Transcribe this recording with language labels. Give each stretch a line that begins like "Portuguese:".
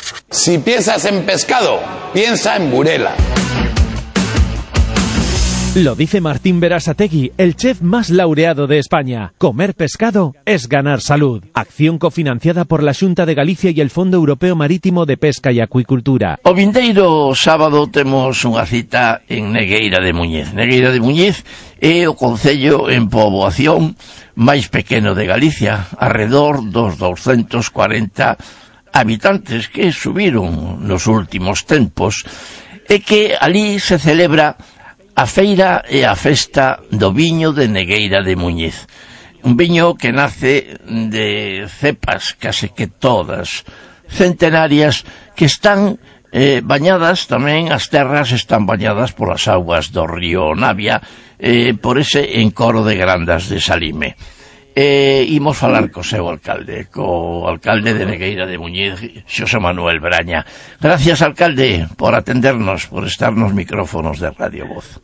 Spanish: Si piensas en pescado, piensa en Burela. Lo dice Martín Berasategui, el chef más laureado de España. Comer pescado es ganar salud. Acción cofinanciada por la Xunta de Galicia y el Fondo Europeo Marítimo de Pesca y Acuicultura.
Galician: O vindeiro sábado temos unha cita en Negueira de Muñiz. Negueira de Muñiz é o concello en poboación máis pequeno de Galicia, arredor dos 240 habitantes que subiron nos últimos tempos, e que ali se celebra a feira e a festa do viño de Negueira de Muñiz. Un viño que nace de cepas, case que todas, centenarias, que están bañadas tamén, as terras están bañadas por as aguas do río Navia, por ese encoro de grandas de Salime. Imos falar co alcalde de Negueira de Muñiz, Xosé Manuel Braña.
Spanish: Gracias, alcalde, por atendernos, por estar nos micrófonos de Radio Voz.